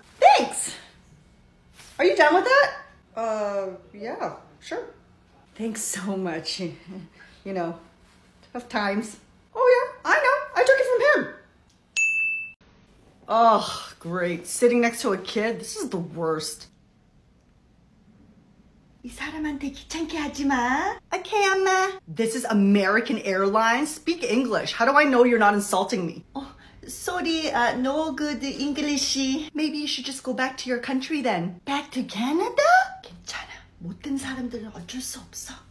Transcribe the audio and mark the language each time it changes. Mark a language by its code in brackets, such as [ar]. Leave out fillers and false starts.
[en] Thanks. Are you done with that? Yeah, sure. Thanks so much. You know, tough times. Oh yeah, I know. I took it from him. Oh, great. Sitting next to a kid, this is the worst. [ko] 이 사람한테 귀찮게 하지 마. [en] Okay, 엄마. This is American Airlines. Speak English. How do I know you're not insulting me? Oh, sorry, no good English. Maybe you should just go back to your country then. Back to Canada? [ko] 괜찮아. 못된 사람들은 어쩔 수 없어.